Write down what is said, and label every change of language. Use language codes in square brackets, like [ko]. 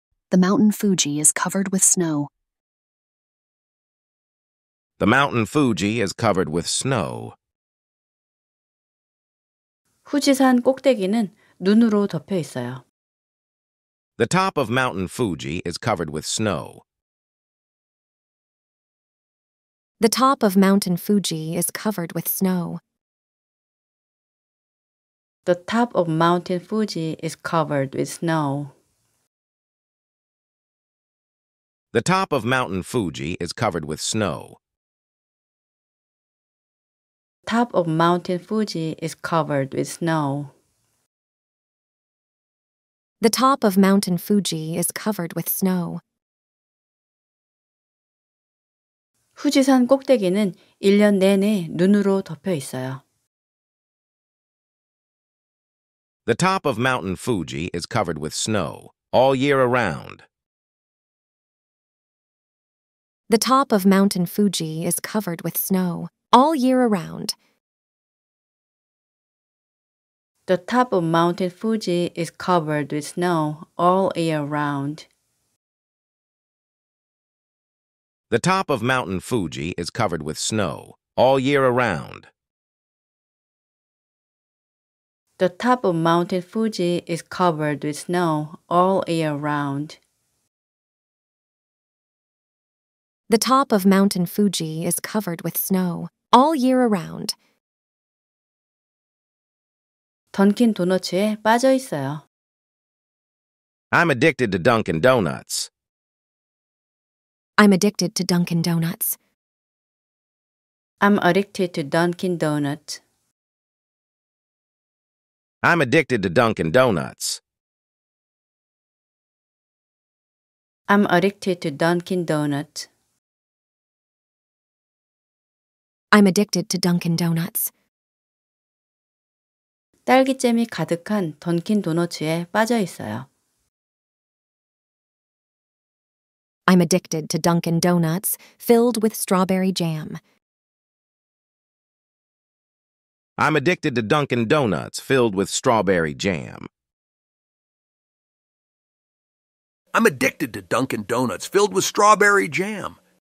[en] The mountain Fuji is covered with snow. The mountain Fuji is covered with snow. [ko] 후지산 꼭대기는 눈으로 덮여 있어요. [en] The top of mountain Fuji is covered with snow. The top of mountain Fuji is covered with snow. The top of mountain Fuji is covered with snow. The top of mountain Fuji is covered with snow. Top of mountain Fuji is covered with snow. The top of Mountain Fuji is covered with snow. [ko] 후지산 꼭대기는 1년 내내 눈으로 덮여 있어요. [en] The top of Mountain Fuji is covered with snow all year around. The top of Mountain Fuji is covered with snow all year around. The top of Mountain Fuji is covered with snow all year round. The top of Mountain Fuji is covered with snow all year around. The top of Mountain Fuji is covered with snow all year round. The top of Mountain Fuji is covered with snow all year around. [ko] 던킨 도너츠에 빠져 있어요. [en] I'm addicted to Dunkin' Donuts. I'm addicted to Dunkin' Donuts. I'm addicted to Dunkin' Donuts. I'm addicted to Dunkin' Donuts. I'm addicted to Dunkin' Donuts. I'm addicted to Dunkin' Donuts. [ko] 딸기잼이 가득한 던킨 도너츠에 빠져 있어요. [en] I'm addicted to Dunkin' Donuts filled with strawberry jam. I'm addicted to Dunkin' Donuts filled with strawberry jam. I'm addicted to Dunkin' Donuts filled with strawberry jam.